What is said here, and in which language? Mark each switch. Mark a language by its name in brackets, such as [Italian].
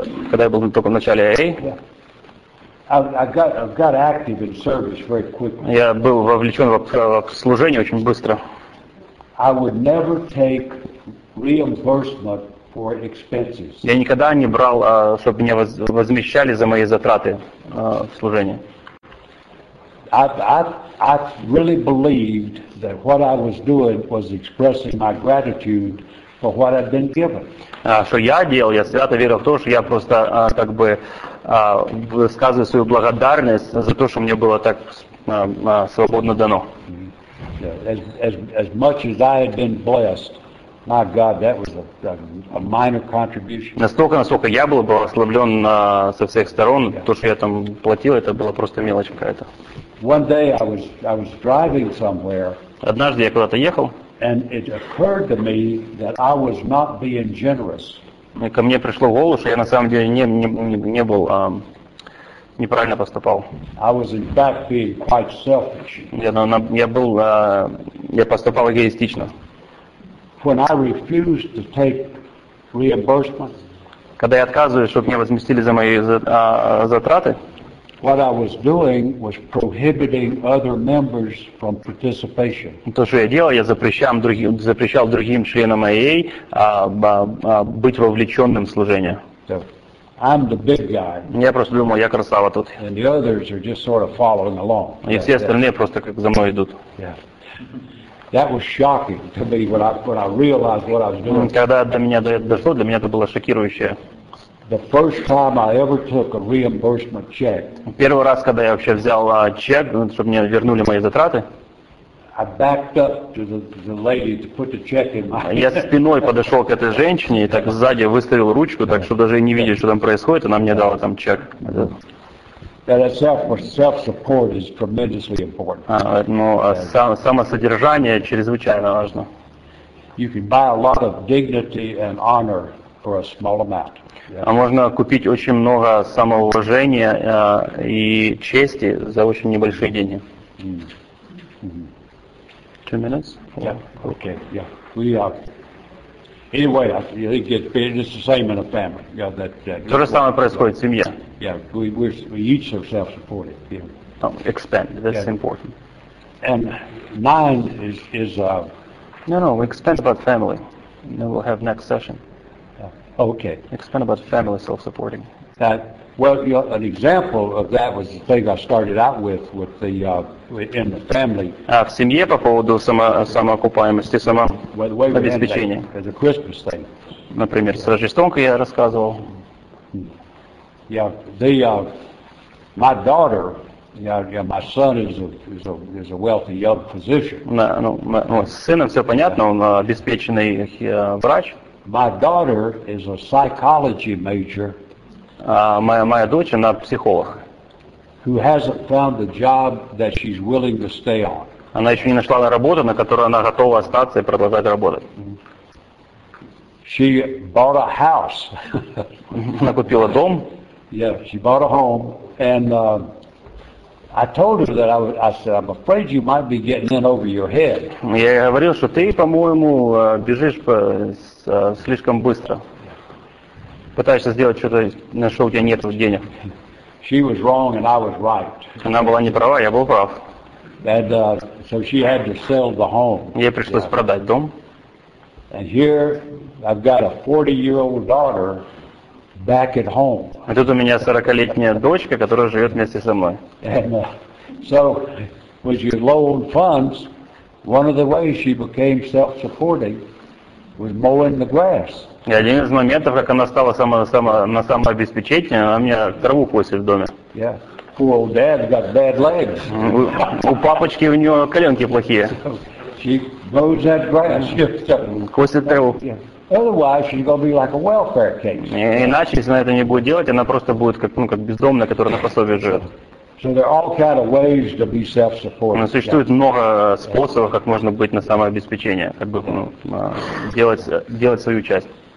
[Russian] Когда я был только в начале AA. [English] I got active in service very quickly. [Russian] Я был вовлечен в служение очень быстро. [English] I would never take reimbursement for expenses. [Russian] Я никогда не брал, чтобы меня возмещали за мои затраты в служении. [English] I really believed that what I was doing was expressing my gratitude for what I'd been given. [Russian] Что я делал? Я свято верил в то, что я просто как бы высказываю свою благодарность за то, что мне было так свободно дано. [English] As much as I had been blessed, my God, that was a minor contribution. [Russian] Насколько я был благословлен со всех сторон, то, что я там платил, это была просто мелочь какая-то. [English] One day I was driving somewhere. [Russian] Однажды я куда-то ехал. [English] And it occurred to me that I was not being generous. [Russian] И ко мне пришло в голову, что я на самом деле не был неправильно поступал. [English] I was in fact being quite selfish. [Russian] Я поступал эгоистично. [English] When I refused to take reimbursement. [Russian] Когда я отказываюсь, чтобы мне возместили за мои затраты. [English] What I was doing was prohibiting other members from participation. [Russian] То, что я делал, я запрещал другим членам АА быть вовлеченным в служение. [English] So, I'm the big guy. [Russian] Я просто думал, я красава тут. [English] And the others are just sort of following along. [Russian] И все остальные просто как за мной идут. [English] Yeah. That was shocking to me when I realized what I was doing. [Russian] Когда до меня дошло, для меня это было шокирующее. [English] The first time I ever took a reimbursement check. [Russian] Первый раз, когда я вообще взял чек, чтобы мне вернули мои затраты. [English] I backed up to the lady to put the check in my. [Russian] Я спиной подошел к этой женщине и так сзади выставил ручку, так что даже не видел, что там происходит, она мне дала там чек. [English] Self-support is tremendously important. [Russian] Самосодержание чрезвычайно важно. [English] You can buy a lot of dignity and honor for a small amount. [Russian] А можно купить очень много самоуважения и чести за очень небольшие деньги. [English] Two minutes? Yeah. Okay. Yeah. We are. Anyway, it's the same in a family. Yeah. That. [Russian] То же самое происходит в семье. [English] Yeah. We each are self-supported. Yeah. Oh, expand. That's important. And nine is. No. We expand about family. Then we'll have next session. Okay. Explain about family self-supporting. That an example of that was the thing I started out with the in the family. [Russian] В семье по поводу самоокупаемости, самообеспечения. [English] As a Christmas thing. [Russian] Например, с Рождеством я рассказывал. [English] Yeah, my daughter. Yeah, my son is a wealthy young physician. [Russian] Сыном все понятно, он обеспеченный врач. [English] My daughter is a psychology major. [Russian] Моя дочь, она психолог. [English] Who hasn't found the job that she's willing to stay on. [Russian] Она еще не нашла работу, на которой она готова остаться и продолжать работать. [English] She bought a house. [Russian] Она купила дом. [English] Yeah, she bought a home. And I told her that I said, I'm afraid you might be getting in over your head. [Russian] Я говорил, что ты, по-моему, бежишь по... слишком быстро. Пытаешься сделать что-то, на что у тебя нет денег. [English] She was wrong and I was right. [Russian] Она была не права, я был прав. [English] And, so she had to sell the home. [Russian] Ей пришлось продать дом. [English] And here I've got a 40-year-old daughter back at home. [Russian] А тут у меня 40-летняя дочка, которая живет вместе со мной. [English] And, so when she loaned funds, one of the ways she became self-supporting was mowing the grass. [Russian] И один из моментов, как она стала на самообеспечение, она мне траву косит в доме. [English] Yeah. Poor old dad got bad legs. [Russian] У папочки у нее коленки плохие. [English] She mows that grass. [Russian] Косит траву. [English] Otherwise, she's gonna be like a welfare case. [Russian] Иначе, если она это не будет делать, она просто будет как бездомная, которая на пособие живет. [English] So there are all kind of ways to be self-supporting. [Russian] Существует много способов, как можно быть на самообеспечение, как бы делать свою часть.